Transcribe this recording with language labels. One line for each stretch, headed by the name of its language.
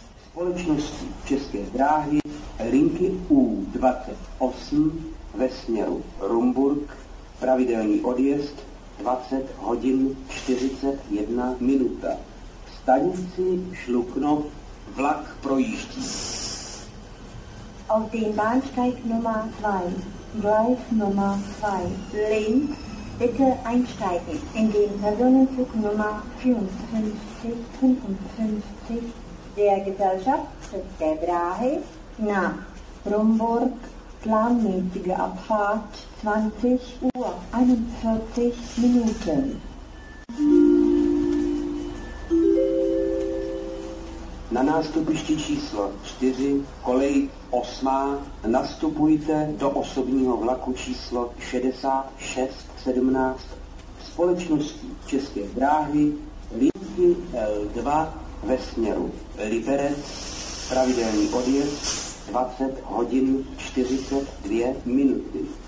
Czech: Společnosti České dráhy, linky U28 ve směru Rumburg, pravidelný odjezd 20 hodin 41 minuta. Stanici Šluknov, vlak projíždí.
German: Auf den Bahnsteig Nummer 2, Gleis Nummer 2, links, bitte einsteigen in den Personenzug Nummer 55. Der Gesellschaft der Drahe nach Rumburg, planmäßige Abfahrt 20 Uhr 41 Minuten.
Czech: Na nástupišti číslo 4, kolej 8, nastupujte do osobního vlaku číslo 6617 společnosti České dráhy linky L2 ve směru Liberec, pravidelný odjezd 20 hodin 42 minuty.